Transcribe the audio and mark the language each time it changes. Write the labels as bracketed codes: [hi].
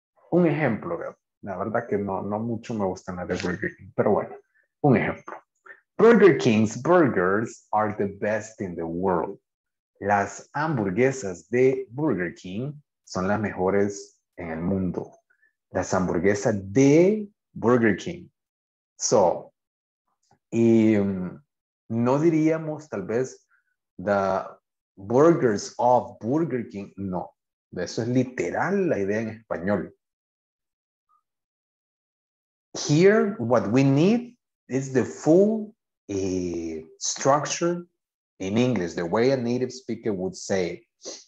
[es] Un ejemplo, la verdad que no mucho me gusta nada de Burger King, pero bueno, un ejemplo. [en] Burger King's burgers are the best in the world. [es] Las hamburguesas de Burger King son las mejores en el mundo. Las hamburguesas de Burger King. So, y no diríamos tal vez [en] the burgers of Burger King. [es] No, eso es literal la idea en español. [en] Here, what we need is the full structure in English, the way a native speaker would say it.